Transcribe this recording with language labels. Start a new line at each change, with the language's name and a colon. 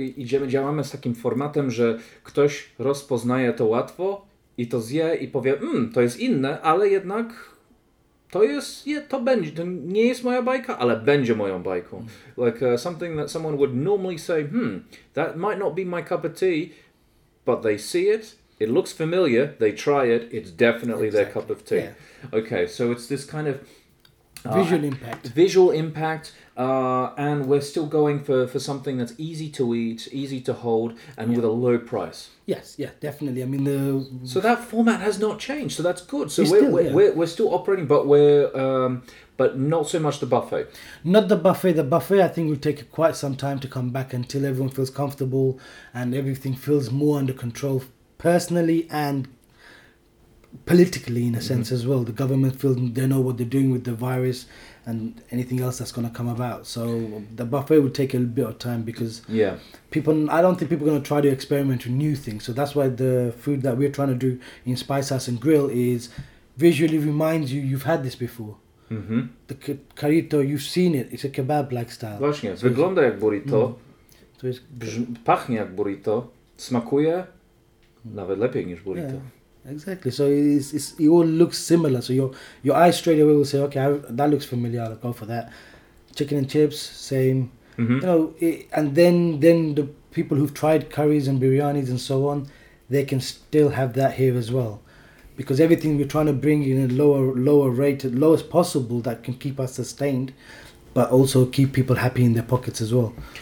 Polish: Idziemy, działamy z takim formatem, że ktoś rozpoznaje to łatwo i to zje i powie, to jest inne, ale jednak to jest, to będzie, to nie jest moja bajka, ale będzie moją bajką.
English: Like something that someone would normally say, that might not be my cup of tea, but they see it. It looks familiar, they try it, it's definitely exactly. Their cup of tea. Yeah. Okay, so it's this kind of... Visual impact, and we're still going for something that's easy to eat, easy to hold, and with a low price. Yes, yeah, definitely. I mean, so that format has not changed, so that's good. So we're still operating, but we're... but not so much the buffet. Not the buffet. The buffet, I think, will take quite some time to come back until everyone feels comfortable and everything feels more under control personally and politically, in a sense, as well. The government feels they know what they're doing with the virus and anything else that's going to come about. So the buffet would take a bit of time because I don't think people are going to try to experiment with new things. So that's why the food that we're trying to do in Spice House and Grill is visually reminds you you've had this before. Mm-hmm. The carrito, you've seen it. It's a kebab-like style.
Polish: Właśnie, wygląda jak burrito. To jest... pachnie jak burrito. Smakuje nawet lepiej niż burrito.
English: Yeah. Exactly. So it all looks similar. So your eyes straight away will say, okay, that looks familiar. I'll go for that. Chicken and chips, same. Mm-hmm. You know, and then the people who've tried curries and biryanis and so on, they can still have that here as well, because everything we're trying to bring in a lower rate, at lowest possible, that can keep us sustained, but also keep people happy in their pockets as well.